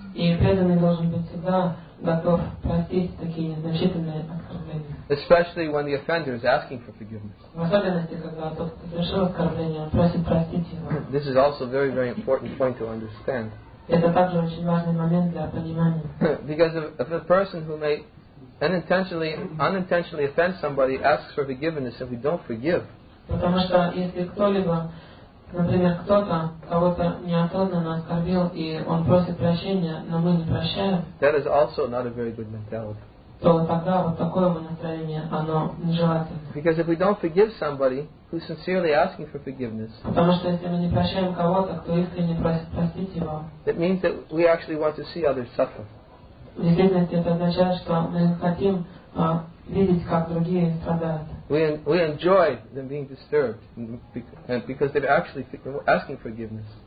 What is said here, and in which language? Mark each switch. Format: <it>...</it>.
<en>Especially when the offender is asking for forgiveness. This is also a very, very important point to understand. Because if a person who may unintentionally offend somebody asks for forgiveness and we don't forgive,</en> <ru>потому что если кто-либо, например, кто-то кого-то неосознанно оскорбил и он просит прощения, но мы не прощаем,</ru> <en>that is also not a very good mentality.</en> <ru>То тогда вот такое настроение, оно нежелательно.</ru> <en>Because if we don't forgive somebody who's sincerely asking for forgiveness,</en> <ru>потому что если мы не прощаем кого-то, кто искренне просит простить его,</ru> <en>it means that we actually want to see others suffer.</en> <ru>В действительности это означает, что мы хотим видеть, как другие страдают.</ru> <en>We enjoy them being disturbed because they're actually asking forgiveness.</en>